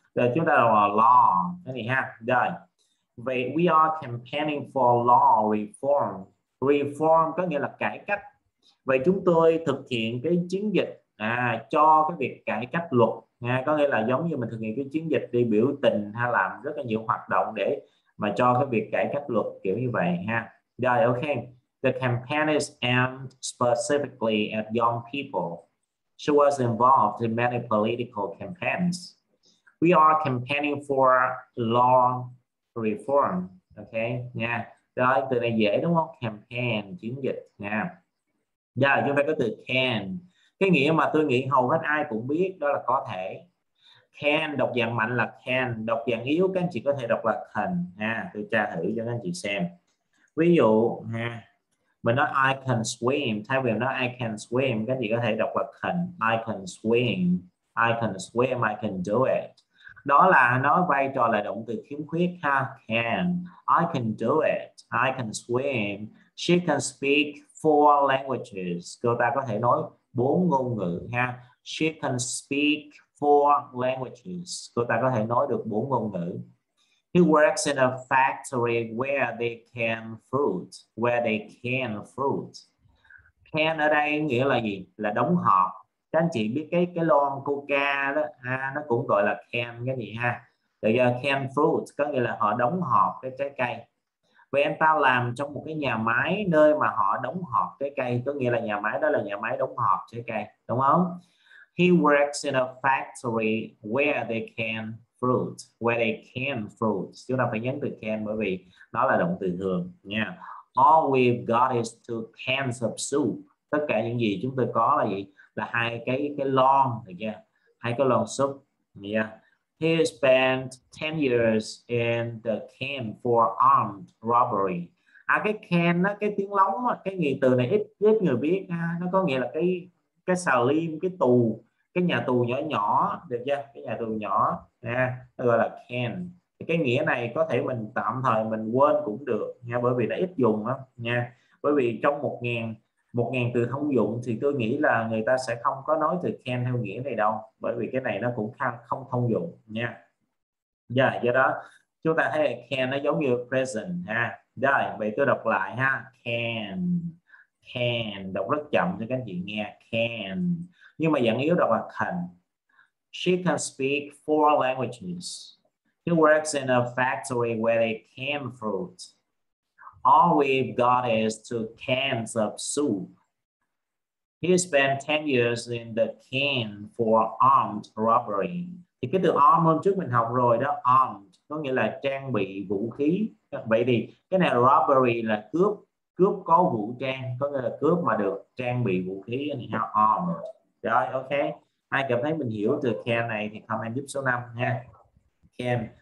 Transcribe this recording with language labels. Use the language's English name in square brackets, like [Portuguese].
[Vietnamese] Rồi chúng ta là law cái này ha. Rồi vậy [English] we are campaigning for law reform. [Vietnamese] Reform có nghĩa là cải cách. Vậy chúng tôi thực hiện cái chiến dịch cho cái việc cải cách luật nha, có nghĩa là giống như mình thực hiện cái chiến dịch đi biểu tình hay làm rất là nhiều hoạt động để mà cho cái việc cải cách luật kiểu như vậy ha. Rồi ok. [English] The campaign is aimed specifically at young people. She was involved in many political campaigns. We are campaigning for law reform. Ok, nha. [Vietnamese] Rồi, từ này dễ đúng không? Campaign, chiến dịch, nha. Giờ chúng ta có từ can. Cái nghĩa mà tôi nghĩ hầu hết ai cũng biết đó là có thể. Can đọc dạng mạnh là can, đọc dạng yếu các anh chị có thể đọc là can, nha. Tôi tra thử cho các anh chị xem. Ví dụ, nha. Mình nói [English] I can swim, [Vietnamese] thay vì nói I can swim, các chị có thể đọc là can. [English] I can swim, I can do it. [Vietnamese] Đó là nó vai trò là động từ khiếm khuyết ha. [English] Can, I can do it, I can swim, she can speak four languages. [Vietnamese] Cô ta có thể nói bốn ngôn ngữ ha. [English] She can speak four languages. [Vietnamese] Cô ta có thể nói được bốn ngôn ngữ. [English] He works in a factory where they can fruit, where they can fruit. [Vietnamese] Can ở đây nghĩa là gì? Là đóng hộp. Các anh chị biết cái lon Coca đó, nó cũng gọi là can cái gì ha. Bây giờ can fruit có nghĩa là họ đóng hộp cái trái cây. Vậy anh ta làm trong một cái nhà máy nơi mà họ đóng hộp trái cây, có nghĩa là nhà máy đó là nhà máy đóng hộp trái cây, đúng không? [English] He works in a factory where they can fruit, where they can fruit. [Vietnamese] Chúng ta phải nhấn từ can bởi vì đó là động từ thường nha. [English] All we've got is two cans of soup. [Vietnamese] Tất cả những gì chúng tôi có là gì? Là hai cái lon, được chưa? Hai cái lon soup. [English] He spent 10 years in the camp for armed robbery. [Vietnamese] Cái can đó, cái tiếng lóng, cái nghĩa từ này ít ít người biết. Nó có nghĩa là cái xà lim, cái tù, cái nhà tù nhỏ nhỏ, được chưa? Cái nhà tù nhỏ. Nó gọi là can. Cái nghĩa này có thể mình tạm thời mình quên cũng được nha, bởi vì nó ít dùng lắm nha. Bởi vì trong 1.000 từ thông dụng thì tôi nghĩ là người ta sẽ không có nói từ can theo nghĩa này đâu, bởi vì cái này nó cũng không thông dụng nha. Do đó chúng ta thấy can nó giống như present ha. Rồi vậy tôi đọc lại ha. Can đọc rất chậm cho các anh chị nghe. Can, nhưng mà dạng yếu đọc là can. [English] She can speak four languages. She works in a factory where they can fruit. All we've got is two cans of soup. He spent 10 years in the camp for armed robbery. [Vietnamese] Thì cái từ arm hôm trước mình học rồi đó, armed có nghĩa là trang bị vũ khí. Vậy thì cái này robbery là cướp, cướp có vũ trang, có nghĩa là cướp mà được trang bị vũ khí thì armed. Rồi ok. Ai cảm thấy mình hiểu từ can này thì comment giúp số 5 nha. Can.